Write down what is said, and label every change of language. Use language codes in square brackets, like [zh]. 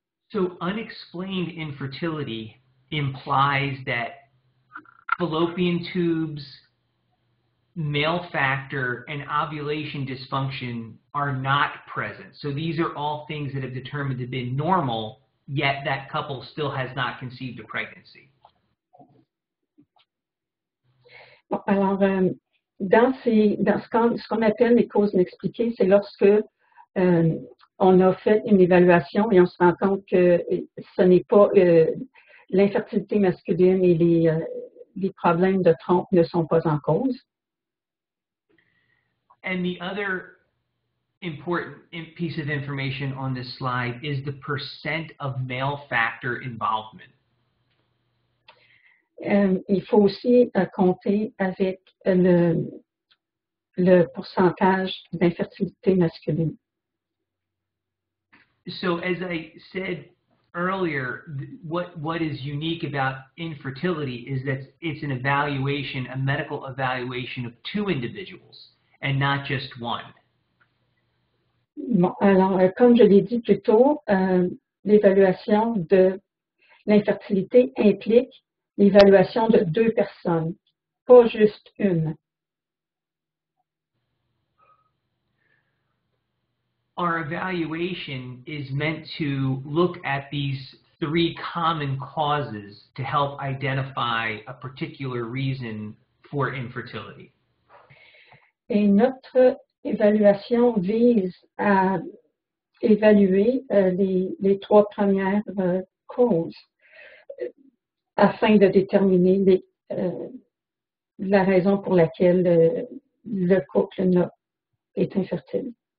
[en] So, unexplained infertility implies that fallopian tubes, male factor, and ovulation dysfunction are not present. So these are all things that have determined to be normal, yet that couple still has not conceived a pregnancy. [fr] Bon, alors, ce qu'on appelle les causes inexpliquées, c'est lorsque on a fait une évaluation et on se rend compte que ce n'est pas l'infertilité masculine et les problèmes de trompe ne sont pas en cause. [en] And the other important piece of information on this slide is the percent of male factor involvement. [fr] Il faut aussi compter avec le pourcentage d'infertilité masculine. [en] So as I said earlier, what is unique about infertility is that it's an evaluation, a medical evaluation of two individuals and not just one. [fr] Bon, alors, comme je l'ai dit plus tôt, l'évaluation de l'infertilité implique l'évaluation de deux personnes, pas juste une. [en] Our evaluation is meant to look at these three common causes to help identify a particular reason for infertility. [fr] Et notre évaluation vise à évaluer les trois premières causes afin de déterminer la raison pour laquelle le couple est infertile.